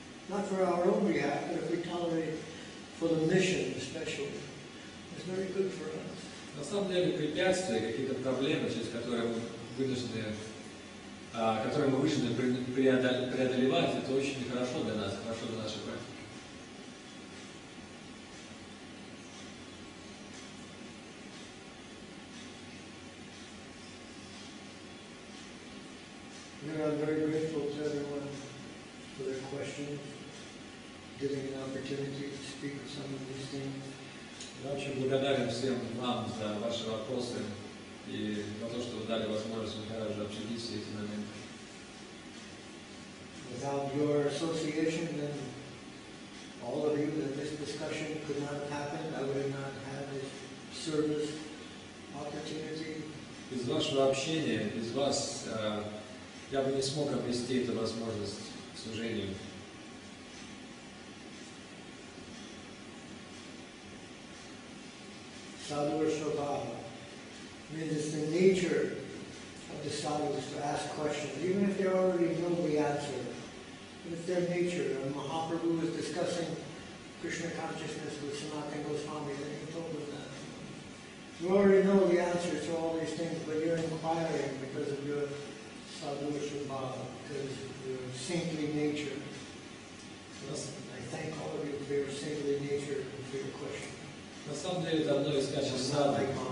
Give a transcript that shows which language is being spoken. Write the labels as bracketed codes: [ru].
[en] Not for our own behalf, but if we tolerate for the mission especially, it's very good for us. [ru] На самом деле препятствия, какие-то проблемы, через которые мы вынуждены преодолевать, это очень хорошо для нас, хорошо для нашей практики. [en] I'm very grateful to everyone for their questions, giving an opportunity to speak of some of these things. [ru] Я очень благодарен всем вам за ваши вопросы и за то, что вы дали возможность Махараджу обсудить все эти моменты. [en] Without your association, then all of you, then this discussion could not have happened. I would not have this service opportunity. [ru] Без вашего общения, без вас, Я бы не смог обрести эту возможность служения. [en] Sadhu Vrishabhava, I mean, it's the nature of the sadhus to ask questions, even if they already know the answer. It's their nature. And Mahaprabhu was discussing Krishna consciousness with Sanatana Goswami, and he told us that. You already know the answer to all these things, but you're inquiring because of your sadhu Vrishabhava, because of your saintly nature. So I thank all of you for your saintly nature and for your questions. [ru] На самом деле, это одно из качеств садхи.